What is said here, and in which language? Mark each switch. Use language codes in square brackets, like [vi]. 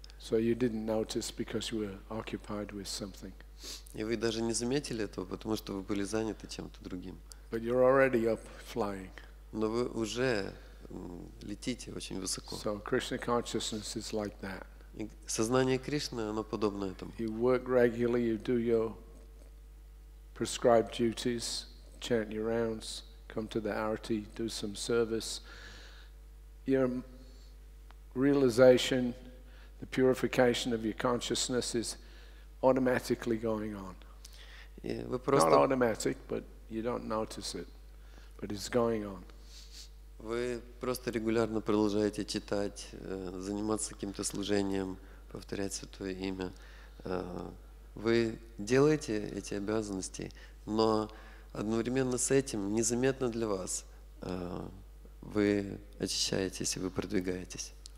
[en] So you didn't notice because you were occupied with something. [ru] И вы даже не заметили этого, потому что вы были заняты чем-то другим. [en] But you're already up flying. [ru] Но вы уже летите очень высоко. [en] So Krishna consciousness is like that. [ru] И сознание Кришны, оно подобно этому. [en] You work regularly, you do your prescribed duties, chant your rounds, come to the arati, do some service. Your realization, the purification of your consciousness is automatically going on. Not automatic, but you don't notice it, but it's going on. [ru] Вы просто регулярно продолжаете читать, заниматься каким-то служением, повторять Святое имя. Вы делаете эти обязанности, но одновременно с этим незаметно для вас вы очищаетесь и вы продвигаетесь.